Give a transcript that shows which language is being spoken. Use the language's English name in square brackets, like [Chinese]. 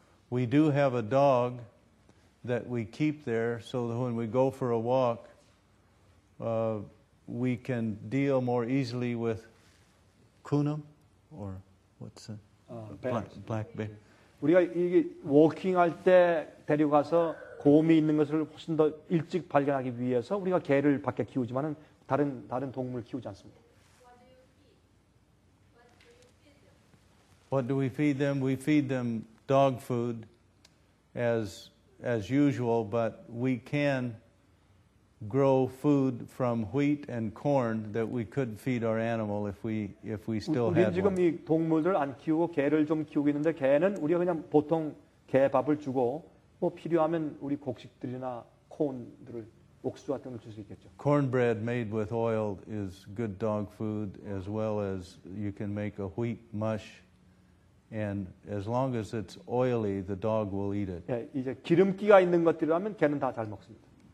[English] We do have a dog that we keep there so that when we go for a walk, we can deal more easily with kunam or what's a black bear. [Korean] 우리가 이게 워킹할 때 데리고 가서 곰이 있는 것을 훨씬 더 일찍 발견하기 위해서 우리가 개를 밖에 키우지만은 다른 동물을 키우지 않습니다. [English] What do we feed them? We feed them dog food as usual, but we can grow food from wheat and corn that we could feed our animal if we still had one. [Korean] 우리 지금 이 동물들 안 키우고 개를 좀 키우고 있는데 개는 우리가 그냥 보통 개 밥을 주고 뭐 필요하면 우리 곡식들이나 콘들을 옥수수 같은 걸 줄 수 있겠죠. [English] Cornbread made with oil is good dog food as well as you can make a wheat mush and as long as it's oily the dog will eat it. [Korean] 예, 이제 기름기가 있는 것들이라면 걔는 다 잘 먹습니다.